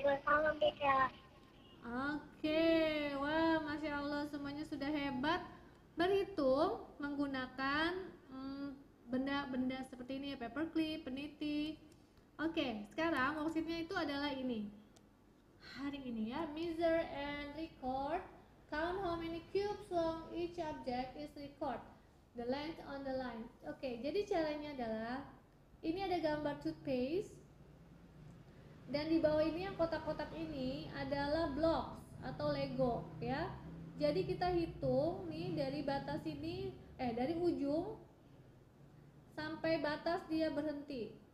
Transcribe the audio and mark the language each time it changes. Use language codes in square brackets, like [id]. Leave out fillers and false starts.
[id] Oke, wah, Masya Allah, semuanya sudah hebat berhitung menggunakan benda-benda seperti ini ya, paperclip, peniti. Oke, sekarang maksudnya itu adalah ini. Hari ini ya, [en] measure and record. Count how many cubes long each object is record. The length on the line. [id] Oke, jadi caranya adalah ini ada gambar toothpaste. Dan di bawah ini yang kotak-kotak ini adalah blocks atau Lego ya. Jadi kita hitung nih dari batas ini, dari ujung sampai batas dia berhenti.